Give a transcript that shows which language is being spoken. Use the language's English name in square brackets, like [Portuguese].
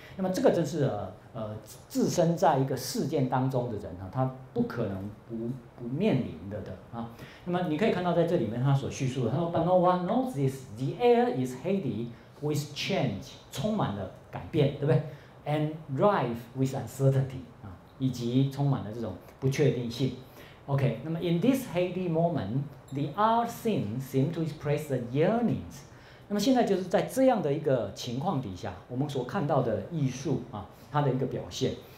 [Chinese] 那么这个真是置身在一个事件当中的人、啊、他不可能不面临的、啊、那么你可以看到在这里面他所叙述的，他说 [English] But no one knows this, the air is heady with change, [Chinese] 充满了改变，对不对？ [English] And rife with uncertainty、 [Chinese] 啊、以及充满了这种不确定性。 [English] OK, 那么 in this heady moment, the art scene seemed to express the yearnings. [Chinese] 那么现在就是在这样的一个情况底下，我们所看到的艺术啊，它的一个表现。